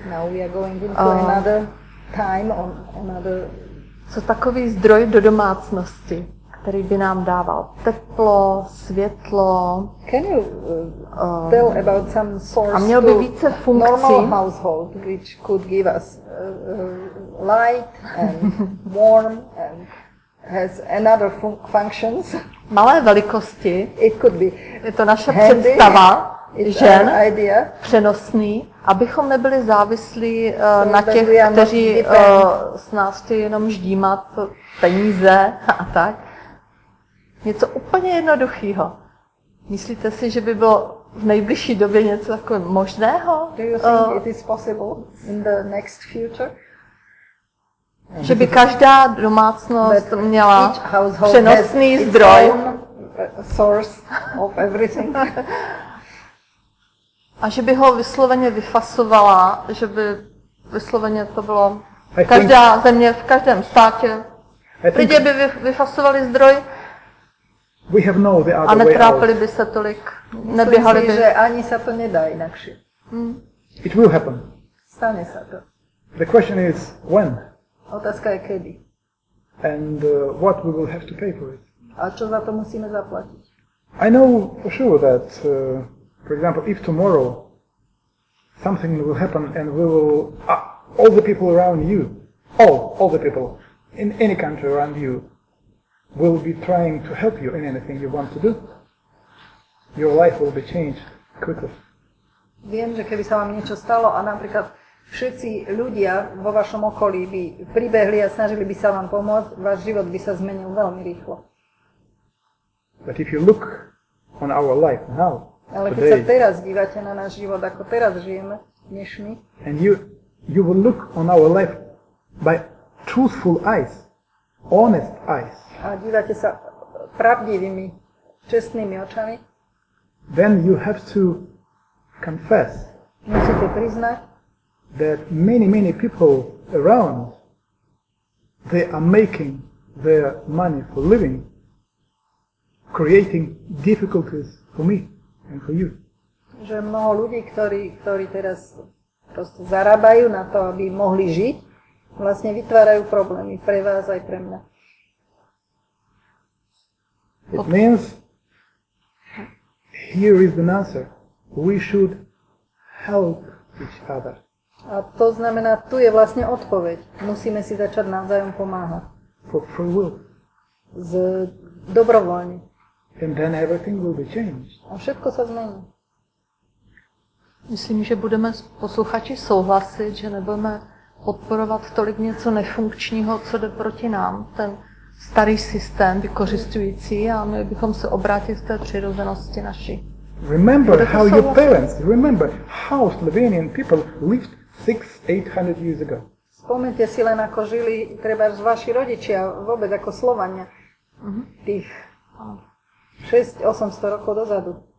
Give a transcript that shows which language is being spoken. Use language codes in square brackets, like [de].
[en] now we are going into another time on another. [cs] Co takový zdroj do domácnosti, který by nám dával teplo, světlo. [en] Can you tell about some source? [cs] A měl by více funkcí. [en] Normal household, which could give us light and warm and has another functions. [cs] Malé velikosti. [en] It could be. [cs] Je to naše představa. Žen přenosný, abychom nebyli závislí na těch, kteří s nás chtějí jenom ždímat peníze a tak. Něco úplně jednoduchého. Myslíte si, že by bylo v nejbližší době něco jako možného? [en] Do you think it is possible in the next future? [cs] Že by každá domácnost měla přenosný zdroj. [en] Source of everything. [cs] A že by ho vysloveně vyfasovala, že by vysloveně to bylo každá země v každém státě. Lidé by vyfasovali zdroj a netrápili by se tolik, neběhali by. Myslím, že ani se to nedá jinakši. [en] It will happen. [cs] Stane se to. [en] The question is when. [sk] Otázka je kedy. [en] And what we will have to pay for it. [sk] A co za to musíme zaplatit? [en] I know for sure that for example, if tomorrow something will happen and we will all the people around you, all the people in any country around you will be trying to help you in anything you want to do, your life will be changed quickly. [sk] Viem, že keby sa vám niečo stalo a napríklad všetci ľudia vo vašom okolí by pribehli a snažili by sa vám pomôcť, váš život by sa zmenil veľmi rýchlo. [en] But if you look on our life now, [sk] ale keď sa teraz dívate na náš život, ako teraz žijeme, dnešný. [en] And you will look on our life by truthful eyes, honest eyes. [sk] A dívate sa pravdivými, čestnými očami. [en] Then you have to confess. [sk] Musíte priznať, [en] that many people around, they are making their money for living, creating difficulties for me. And for you. [sk] Že mnoho ľudí, ktorí teraz proste zarábajú na to, aby mohli žiť, vlastne vytvárajú problémy pre vás aj pre mňa. [en] It means here is the answer. We should help each other. [sk] A to znamená, tu je vlastne odpoveď. Musíme si začať navzájom pomáhať. [en] For free will. [sk] Z dobrovoľne. [en] And then everything will be changed. [sk] A všetko sa zmení. [cs] Myslím, že budeme posluchači souhlasit, že nebudeme podporovat tolik něco nefunkčního, co jde proti nám, ten starý systém vykořisťující, a my bychom se obrátili v té přirozenosti naši. [en] Remember how your parents, remember how Slovenian people lived 600-800 years ago. [sk] Vzpomeňte si len, ako žili třeba vaši rodiči a vůbec jako Slovania. Mm-hmm. Tých. 6-800 rokov dozadu.